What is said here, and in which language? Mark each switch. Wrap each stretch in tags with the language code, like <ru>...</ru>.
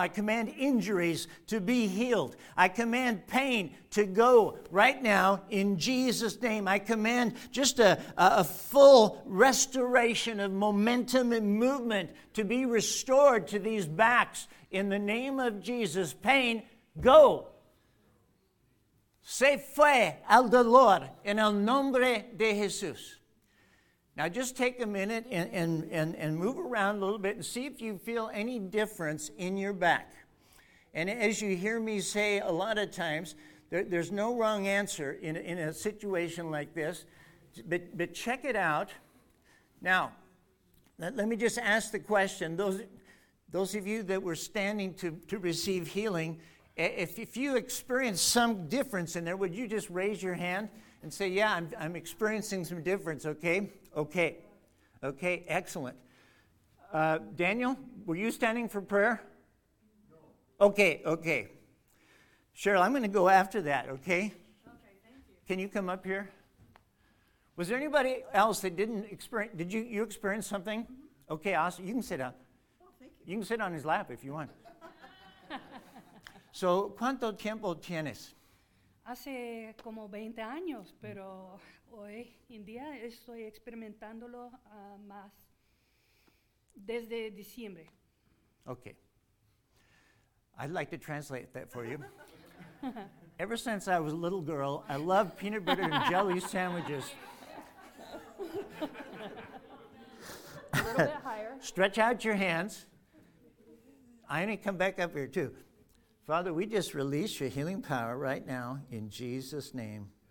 <en>I command injuries to be healed. I command pain to go right now in Jesus' name. I command just a full restoration of momentum and movement to be restored to these backs in the name of Jesus. Pain, go.</en> <es>Se fue al dolor en el nombre de Jesús.</es> <en>Now just take a minute and move around a little bit and see if you feel any difference in your back. And as you hear me say a lot of times, there's no wrong answer in a situation like this. But check it out. Now, let me just ask the question. Those of you that were standing to receive healing, If you experience some difference in there, would you just raise your hand and say, yeah, I'm experiencing some difference, okay? Okay. Okay, excellent. Daniel, were you standing for prayer? No. Okay. Cheryl, I'm going to go after that, okay? Okay, thank you. Can you come up here? Was there anybody else that didn't experience, did you experience something? Mm-hmm. Okay, awesome. You can sit down. Oh, thank you. You can sit on his lap if you want.</en> <es>So, ¿cuánto tiempo tienes? Hace como 20 años, pero hoy en día estoy experimentándolo más desde diciembre.</es> <en>Okay. I'd like to translate that for you. Ever since I was a little girl, I loved peanut butter and jelly sandwiches. A little bit higher. Stretch out your hands. I need to come back up here too. Father, we just release your healing power right now in Jesus' name.</en>